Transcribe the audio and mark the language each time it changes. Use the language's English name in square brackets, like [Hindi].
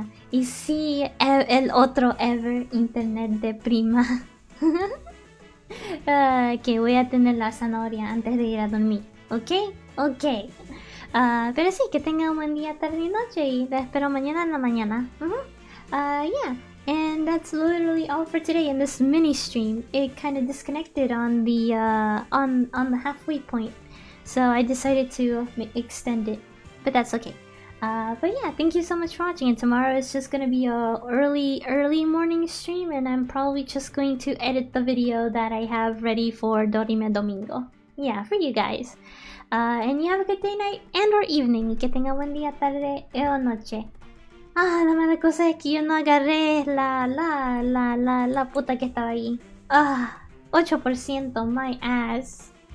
[Spanish] Y sí, el otro ever internet de prima. que voy a tener la zanahoria antes de ir a dormir. Ok. Pero sí, que tenga un buen día, tarde y noche y te espero mañana en la mañana. [English] And that's literally all for today in this mini stream. It kind of disconnected on the on the halfway point. So I decided to extend it, but that's okay. But yeah, thank you so much for watching. And tomorrow is just gonna be a early morning stream, and I'm probably just going to edit the video that I have ready for Dorime Domingo. Yeah, for you guys. And you have a good day, night, and or evening. [Spanish] Que tenga buen día, tarde e o noche. Ah, la mala cosa es que yo no agarré la puta que estaba ahí. Ah, 8%, [English] my ass.